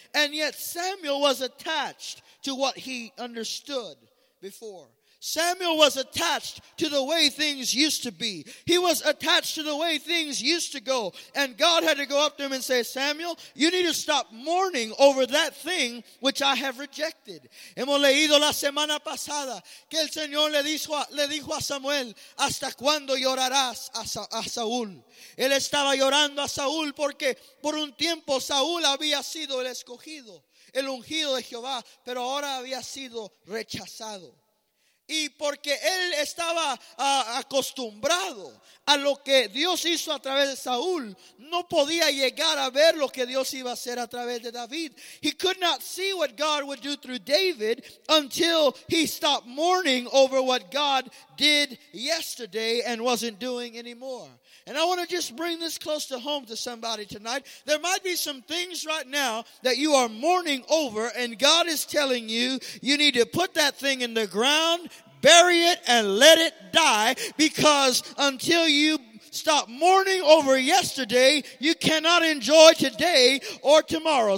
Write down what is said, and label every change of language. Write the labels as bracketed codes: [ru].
[en] And yet Samuel was attached to what he understood before. Samuel was attached to the way things used to be. He was attached to the way things used to go. And God had to go up to him and say, "Samuel, you need to stop mourning over that thing which I have rejected." [es] Hemos leído la semana pasada que el Señor le dijo a Samuel, "¿Hasta cuándo llorarás a Saúl?" Él estaba llorando a Saúl porque por un tiempo Saúl había sido el escogido, el ungido de Jehová, pero ahora había sido rechazado. Y porque él estaba acostumbrado a lo que Dios hizo a través de Saúl, no podía llegar a ver lo que Dios iba a hacer a través de David. [en] He could not see what God would do through David until he stopped mourning over what God did yesterday and wasn't doing anymore. And I want to just bring this close to home to somebody tonight. There might be some things right now that you are mourning over, and God is telling you, you need to put that thing in the ground, bury it, and let it die, because until you stop mourning over yesterday, you cannot enjoy today or tomorrow.